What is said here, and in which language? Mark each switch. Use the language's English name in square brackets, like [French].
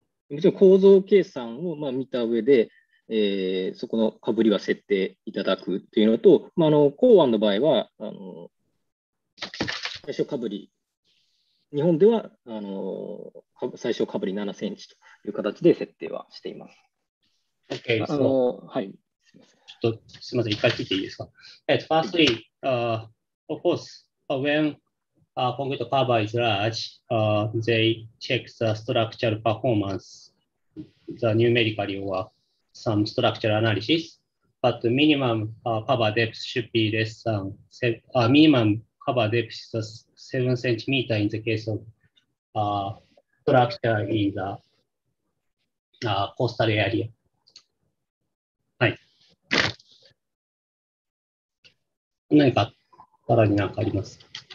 [Japanese] もちろん構造計算を、見た上で、そこのかぶりは設定いただくというのと、港湾の場合は最小かぶり、日本では最小かぶり7センチという形で設定はしています。 OK、 そのはい、ちょっとすみません、一回聞いていいですか？ [English] Firstly、of course、when a concrete cover is large、they check the structural performance the numerically orsome structural analysis, but the minimum cover depth should be less than minimum cover depth is 7 centimeters in the case of structure in the coastal area. [Japanese] はい。何かさらに何かありますか？